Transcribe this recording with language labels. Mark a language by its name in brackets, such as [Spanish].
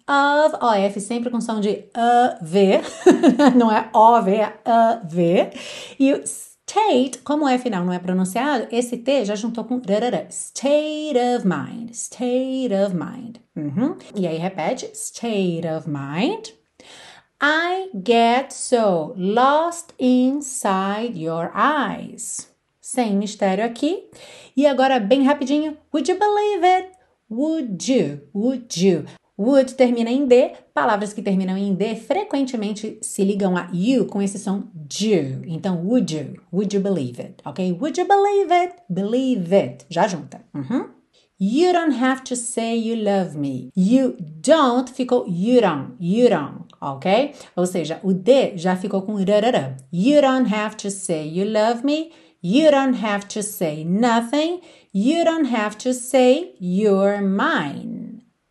[Portuguese] Of, OF, sempre com som de AV. Não é OV, é AV. E o State, como é final, não é pronunciado, esse T já juntou com drarara, [English] state of mind, state of mind. [Portuguese] E aí repete, [English] state of mind. I get so lost inside your eyes. [Portuguese] Sem mistério aqui. E agora, bem rapidinho, [English] would you believe it? Would you? Would you? Would [Portuguese] termina em D. Palavras que terminam em D frequentemente se ligam a you com esse som do. Então, [English] would you? Would you believe it? [Portuguese] Ok? [English] Would you believe it? Believe it. [Portuguese] Já junta. [English] You don't have to say you love me. You don't ficou you don't. You don't. Ok? [Portuguese] Ou seja, o D já ficou com rarara. [English] You don't have to say you love me. You don't have to say nothing. You don't have to say you're mine.